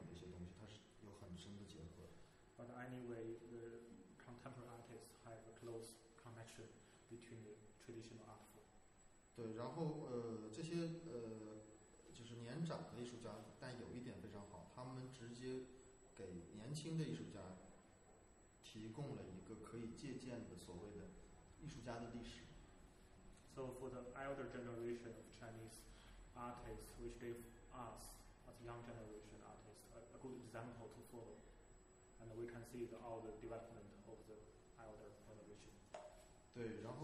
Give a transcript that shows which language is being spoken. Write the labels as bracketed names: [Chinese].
[Chinese] 但是实际上，它已经跟以前的这个中国的传统的一些东西，它是有很深的结合的。 [English] But anyway, the contemporary artists have a close connection between the traditional art form. [Chinese] 对，然后这些就是年长的艺术家，但有一点非常好，他们直接给年轻的艺术家提供了一个可以借鉴的所谓的艺术家的历史。 [English] So for the elder generation of Chinese artists, which gave us as young generation artists a good example to follow, and we can see all the development of the elder generation.